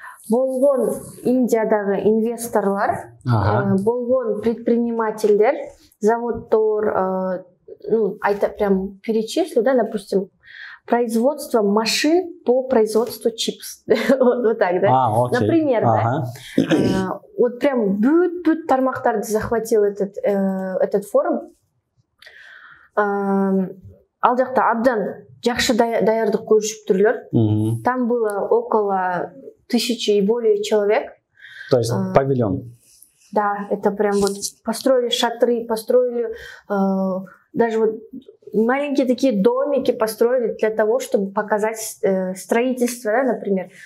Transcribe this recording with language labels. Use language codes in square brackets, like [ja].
[ky] Болгон Индиядагы инвесторлар, болгон предпринимательдер, заводтор, [ru] прям перечислю, да, допустим, производство машин по производству чипсов. Вот так, да? Например, да. Вот прям [ky] бүт-бүт тармактарды [ru] захватил этот форум. [ky] Ал жакта абдан жакшы даярдык көрүшүп турлар. [ru] Там было около 1000 и более человек. То есть павильон. Да, это прям вот построили шатры, построили даже вот маленькие такие домики построили для того, чтобы показать строительство, да, например.